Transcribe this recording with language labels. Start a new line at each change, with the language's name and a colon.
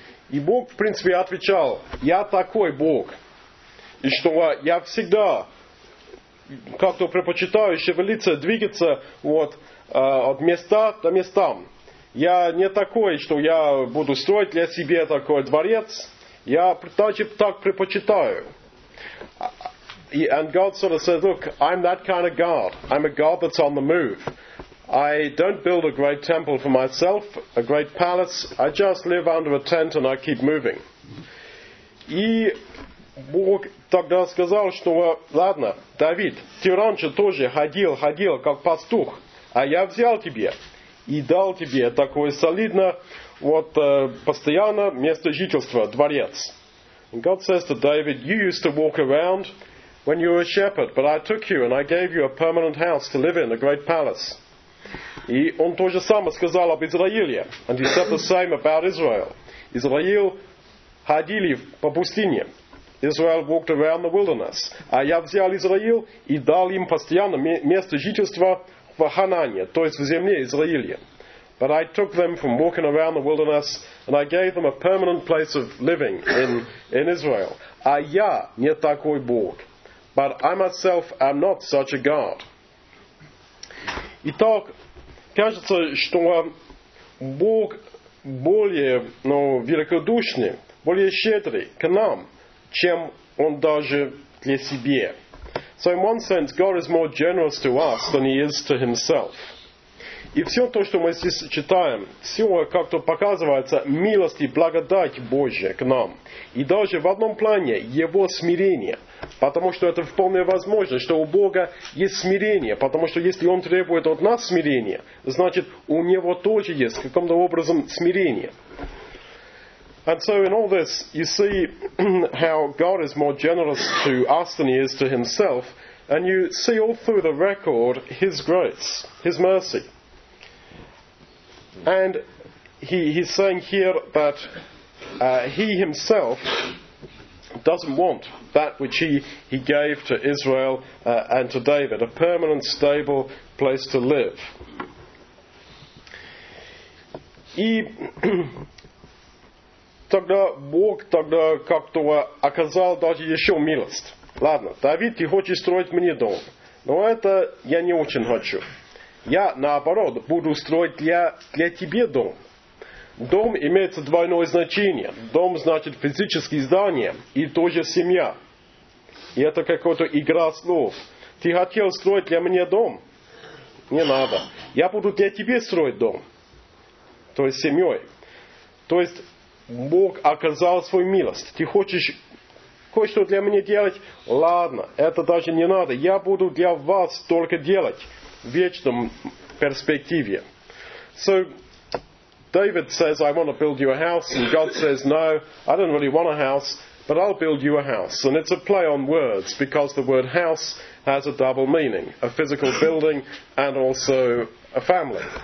Russian: И Бог, в принципе, отвечал: «Я такой Бог, и что я всегда как-то предпочитаю шевелиться, двигаться вот, от места до места. Я не такой, что я буду строить для себя такой дворец. Я также так предпочитаю».
English: And God sort of says, look, I'm that kind of God. I'm a God that's on the move. I don't build a great temple for myself, a great palace. I just live under a tent and I keep moving.
Russian: И Бог тогда сказал, что, ладно, Давид, ты раньше тоже ходил, как пастух, а я взял тебе и дал тебе такое солидное, вот, постоянно место жительства, дворец.
English: And God says to David, you used to walk around when you were a shepherd, but I took you and I gave you a permanent house to live in, a great palace.
Russian: И он тоже самое сказал об Израиле.
English: And he said the same about Israel.
Russian: Израил ходили по пустыне.
English: Israel walked around the wilderness.
Russian: А я взял Израил и дал им постоянно место жительства в Ханане, то есть в земле Израиле.
English: But I took them from walking around the wilderness and I gave them a permanent place of living in Israel.
Russian: А я не такой Бог.
English: But I myself am not such a God.
Russian: Итак, кажется, что Бог более, ну, великодушный, более щедрый к нам, чем он даже для себя.
English: So in one sense, God is more generous to us than he is to himself.
Russian: И все то, что мы здесь читаем, все как-то показывается милость и благодать Божия к нам. И даже в одном плане его смирение. Потому что это вполне возможно, что у Бога есть смирение. Потому что если он требует от нас смирения, значит у него тоже есть каким-то образом смирение.
English: And so in all this, you see how God is more generous to us than he is to himself. And you see all through the record his grace, his mercy. And he's saying here that he himself doesn't want that which he gave to Israel and to David, a permanent, stable place to live.
Russian: И тогда Бог тогда как-то оказал даже еще милость. Ладно, Давид, ты хочешь строить мне дом, но это я не очень хочу. Я, наоборот, буду строить для тебя дом. Дом имеет двойное значение. Дом значит физическое здание и тоже семья. И это какая-то игра слов. Ты хотел строить для меня дом? Не надо. Я буду для тебя строить дом. То есть семьей. То есть Бог оказал свою милость. Ты хочешь кое-что для меня делать? Ладно, это даже не надо. Я буду для вас только делать. В вечном перспективе.
English: So, David says, I want to build you a house. And God says, no, I don't really want a house, but I'll build you a house. And it's a play on words, because the word house has a double meaning. A physical building and also a family.